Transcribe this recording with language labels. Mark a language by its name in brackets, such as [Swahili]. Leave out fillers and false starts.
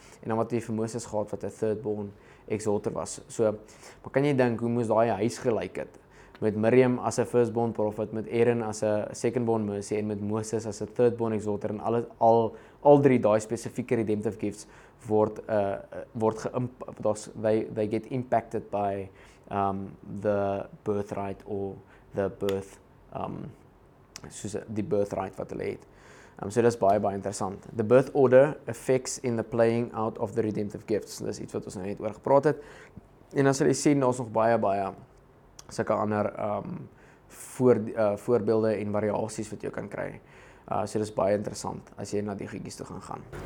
[Afrikaans] En dan wat jy vir Moses gehad wat 'n third born exhorter was. So, maar kan jy dink hoe moes daai huis gelyk het? Met Miriam as 'n first born prophet, met Aaron as 'n second born mercy en met Moses as 'n third born exhorter en al drie daai spesifieke redemptive gifts word geïmp daar's [English] they get impacted by the birthright or the birth, [Afrikaans] soos die birthright wat hulle het. So dis baie, baie interessant. [English] The birth order affects in the playing out of the redemptive gifts. [Afrikaans] Dis iets wat ons nou net oor gepraat het. En as jy sien, daar is nog baie, baie sulke ander voorbeelde en variasies wat jy kan kry. So dis baie interessant as jy na die gietjies toe gaan gaan.